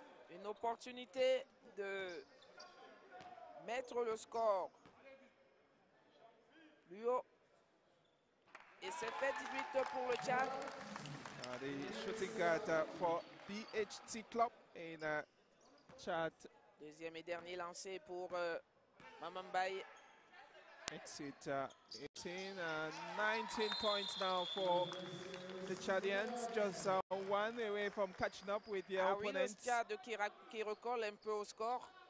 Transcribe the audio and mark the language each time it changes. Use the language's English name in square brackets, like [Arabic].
[French] Une opportunité de mettre le score plus haut. Et c'est fait 18 pour le Tchad. [English] The shooting guard for BHT Club in Tchad. [French] Deuxième et dernier lancé pour Mamambay. [English] Exit 18 and 19 points now for the Chadians. Just one away from catching up with their opponents. [French] Le Tchad qui recolle un peu au score.